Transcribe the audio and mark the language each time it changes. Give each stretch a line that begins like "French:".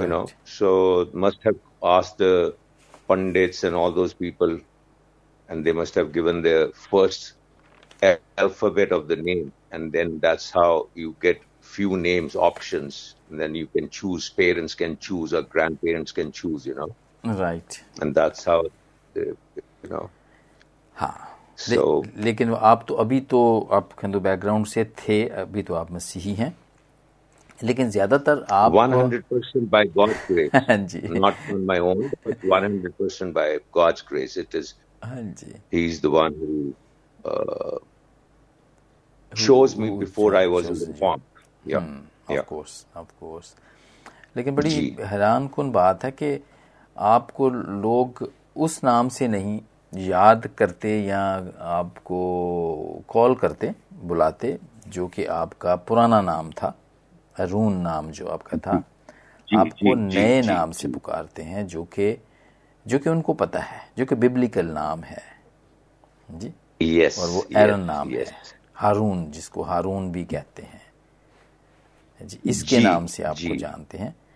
English: You know, so must have asked the pandits and all those people, and they must have given their first alphabet of the name, and then that's how you get few names options, and then you can choose, parents can choose or grandparents can choose, you know, right, and that's how they, you know, ha.
Urdu: لیکن آپ تو ابھی تو آپ ہندو back ground سے تھے, ابھی تو آپ مسیحی ہیں, لیکن زیادہ تر آپ
English: 100% by God's grace.
Urdu: جی,
English: not on my own, but 100% by God's grace. It is,
Urdu: جی,
English: he is the one who chose me before I was informed. Of course.
Urdu: لیکن بڑی حیران کن بات ہے کہ آپ کو لوگ اس نام سے نہیں یاد کرتے یا آپ کو کال کرتے, بلاتے, جو کہ آپ کا پرانا نام تھا, ارون نام جو آپ کا تھا, آپ کو نئے نام سے پکارتے ہیں جو کہ ان کو پتا ہے, جو کہ بائبلیکل نام ہے جی, اور وہ ارون نام ہے, ہارون جس کو ہارون بھی کہتے ہیں جی, اس کے نام سے آپ کو جانتے ہیں.